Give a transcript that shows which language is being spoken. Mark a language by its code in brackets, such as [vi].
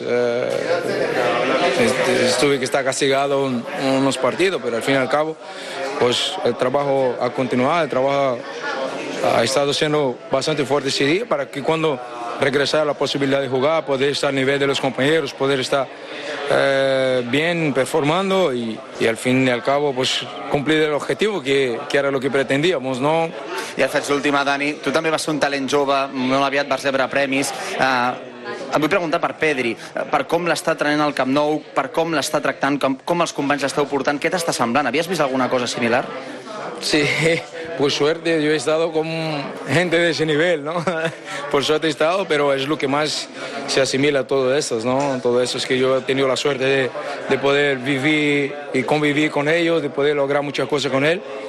[es] Estuve que está castigado unos partidos, pero al fin y al cabo, pues el trabajo ha continuado, el trabajo ha estado siendo bastante fuerte ese día para que cuando regresara la posibilidad de jugar, poder estar a nivel de los compañeros, poder estar bien performando y al fin y al cabo pues cumplir el objetivo que era lo que pretendíamos, ¿no? [ca] I et faig l'última, Dani. Tu també vas ser un talent jove, molt aviat vas rebre premis. Em vull preguntar per Pedri, per com l'està trenent al Camp Nou, per com l'està tractant, com els companys l'esteu portant, què t'està semblant? Havies vist alguna cosa similar? [es] Sí, pues suerte, yo he estado con gente de ese nivel, ¿no? Por suerte he estado, pero es lo que más se asimila a todo eso, ¿no? Todo eso es que yo he tenido la suerte de poder vivir y convivir con ellos, de poder lograr muchas cosas con él.